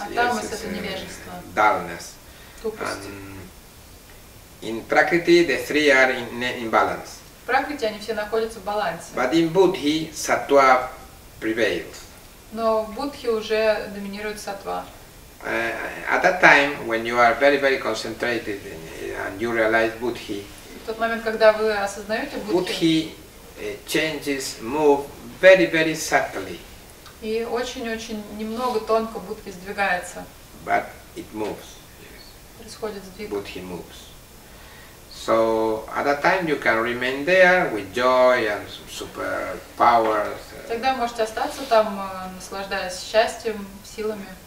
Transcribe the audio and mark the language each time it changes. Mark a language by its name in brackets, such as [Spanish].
[Russian] А тамас это невежество. [English] Dullness. [Russian] Тупость. [English] In prakriti the three are in balance. [Russian] В пракрити они все находятся в балансе. [English] But in Buddhi sattva prevails. [Russian] Но в Буддхи уже доминирует сатва. [English] At that time when you are very very concentrated and you realize Buddhi. [Russian] В тот момент, когда вы осознаете Буддхи. [English] Buddhi changes, move. Very, very subtly. [Russian] И очень-очень немного тонко Будхи сдвигается. [English] But it moves, yes. [Russian] Происходит сдвиг. [English] Будхи moves. So at that time you can remain there with joy and super powers. [Russian] Тогда можете остаться там, наслаждаясь счастьем, силами.